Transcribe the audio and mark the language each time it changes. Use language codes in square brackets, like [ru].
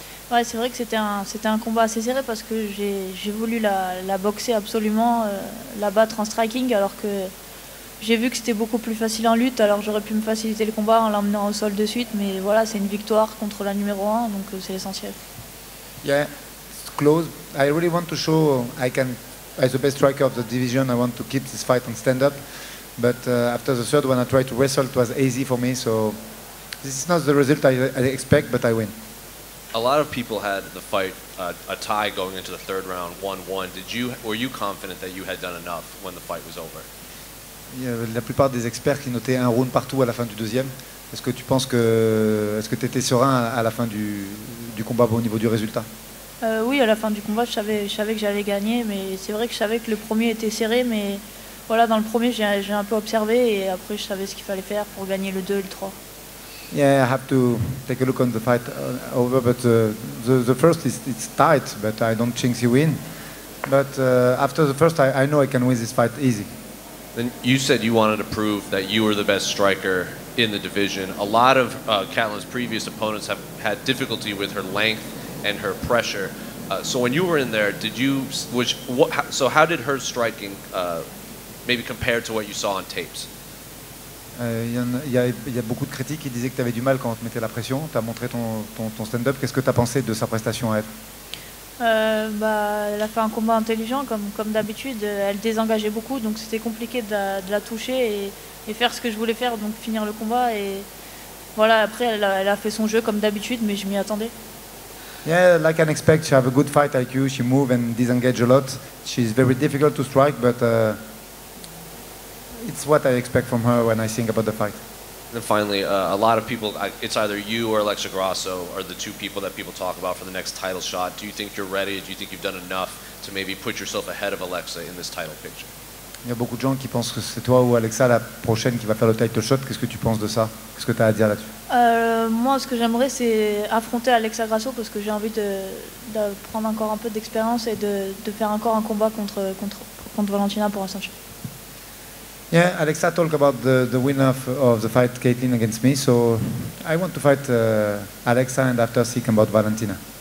[fr] Ouais, c'est vrai que c'était un combat assez serré parce que j'ai voulu la boxer absolument, la battre en striking, alors que j'ai vu que c'était beaucoup plus facile en lutte, alors j'aurais pu me faciliter le combat en l'emmenant au sol de suite, mais voilà, c'est une victoire contre la numéro 1, donc c'est l'essentiel. [en] Yeah, it's close. I really want to show I can, as the best striker of the division, I want to keep this fight on stand-up, but after the third one I tried to wrestle, it was easy for me, so this is not the result I expect, but I win. A lot of people had the fight a tie going into the third round, 1-1. Were you confident that you had done enough when the fight was over? [fr] La plupart des experts qui notaient un round partout à la fin du deuxième. Est-ce que tu étais serein à la fin du combat au niveau du résultat? Oui, à la fin du combat, je savais que j'allais gagner, mais c'est vrai que je savais que le premier était serré, mais voilà, dans le premier, j'ai un peu observé et après, je savais ce qu'il fallait faire pour gagner le 2 et le 3. [en] Yeah, I have to take a look on the fight over, but the first it's tight, but I don't think you win. But after the first, I know I can win this fight easy. Then you said you wanted to prove that you were the best striker in the division. A lot of Catlin's previous opponents have had difficulty with her length and her pressure. So when you were in there, how did her striking maybe compare to what you saw on tapes? [fr] Il y a beaucoup de critiques qui disaient que tu avais du mal quand on te mettait la pression. Tu as montré ton stand-up. Qu'est-ce que tu as pensé de sa prestation à elle? Elle a fait un combat intelligent, comme d'habitude. Elle désengageait beaucoup, donc c'était compliqué de la toucher et faire ce que je voulais faire, donc finir le combat. Et voilà, après, elle a fait son jeu comme d'habitude, mais je m'y attendais. [en] Yeah, like I expect, she have a good fight IQ. She move and disengage a lot. She's very difficult to strike, but it's what I expect from her when I think about the fight. And finally, a lot of people, it's either you or Alexa Grasso are the two people that people talk about for the next title shot. Do you think you're ready? Do you think you've done enough to maybe put yourself ahead of Alexa in this title picture? [fr] Il y a beaucoup de gens qui pensent que c'est toi ou Alexa la prochaine qui va faire le title shot. Qu'est-ce que tu penses de ça? Qu'est-ce que tu as à dire là-dessus? Moi, ce que j'aimerais, c'est affronter Alexa Grasso parce que j'ai envie de prendre encore un peu d'expérience et de faire encore un combat contre Valentina pour un ceinture. [en] Yeah, Alexa talked about the win of the fight Caitlin against me, so I want to fight Alexa and after think about Valentina.